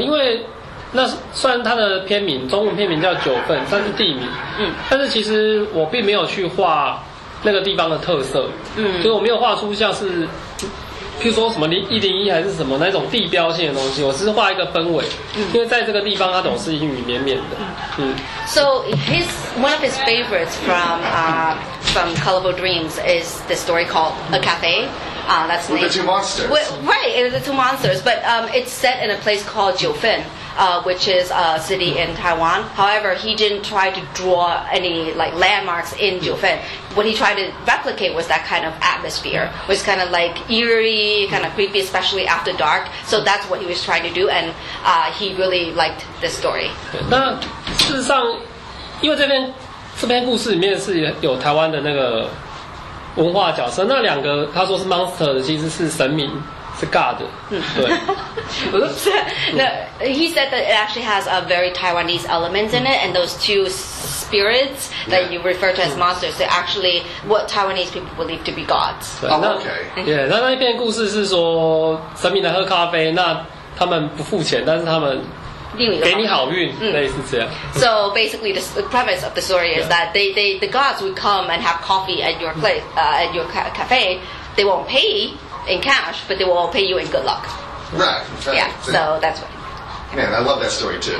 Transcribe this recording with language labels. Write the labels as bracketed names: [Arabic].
[Chinese] 因为那虽然它的片名中文片名叫九份，算是地名，嗯，但是其实我并没有去画那个地方的特色，嗯，就是我没有画出像是譬如说什么101还是什么那种地标性的东西，我是画一个氛围，因为在这个地方它总是阴雨绵绵的。 [English] So his one of his favorites from Colorful Dreams is the story called A Cafe. That's the two monsters. Right, it was the two monsters, but it's set in a place called Jiufen, which is a city in Taiwan. However, he didn't try to draw any like landmarks in Jiufen. What he tried to replicate was that kind of atmosphere, was kind of like eerie, kind of creepy, especially after dark. So that's what he was trying to do, and he really liked this story. [Chinese] 那事实上，因为这篇故事里面是有台湾的那个文化角色，那两个他说是 monster 的，其实是神明。 [English] Oops. No, he said that it actually has a very Taiwanese elements in it, and those two spirits that you refer to as monsters, they're actually what Taiwanese people believe to be gods. Oh, okay. Yeah, [Chinese] 那一篇故事是说神明来喝咖啡，那他们不付钱，但是他们给你好运，类似这样。 [English] So basically, the premise of the story is that the gods would come and have coffee at your place, at your cafe. They won't pay. In cash, but they will pay you in good luck. Right. Yeah. So that's what. Man, I love that story too.